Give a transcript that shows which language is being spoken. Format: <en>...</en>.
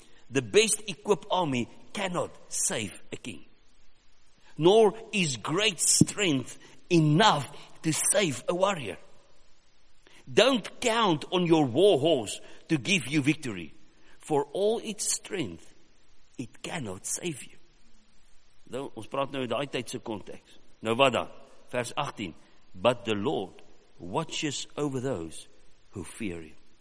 <en>The best equipped army cannot save a king. Nor is great strength enough to save a warrior. Don't count on your war horse to give you victory. For all its strength, it cannot save you.</en> <af>Nou, ons praat nou in die tydse context. Nou wat dan? Vers 18.</af> <en>But the Lord watches over those who fear him.</en>